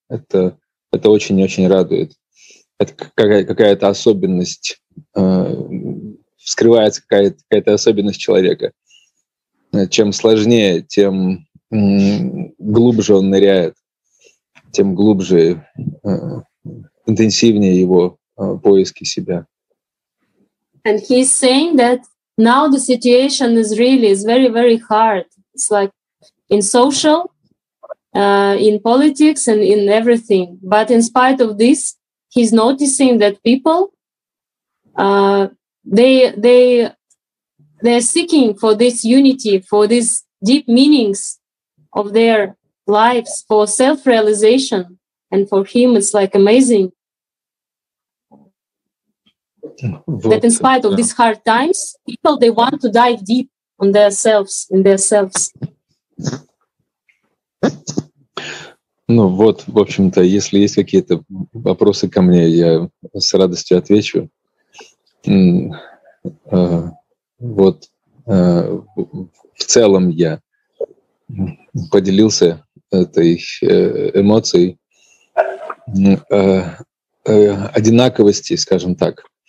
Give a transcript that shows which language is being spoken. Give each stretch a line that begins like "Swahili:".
Russian: Это очень-очень радует. Это какая-то особенность, вскрывается какая-то особенность человека. Чем сложнее, тем глубже он ныряет, тем глубже, интенсивнее его поиски себя.
English: And he's saying that now the situation is really is very, very hard. It's like in social, in politics, and in everything. But in spite of this, he's noticing that people, they're seeking for this unity, for these deep meanings of their lives, for self-realization. And for him, it's like amazing. Вот, that in spite of these hard times, people, they want to dive deep on themselves, in themselves.
Russian: Ну вот, в общем-то, если есть какие-то вопросы ко мне, я с радостью отвечу. Вот, в целом я поделился этой эмоцией одинаковости, скажем так.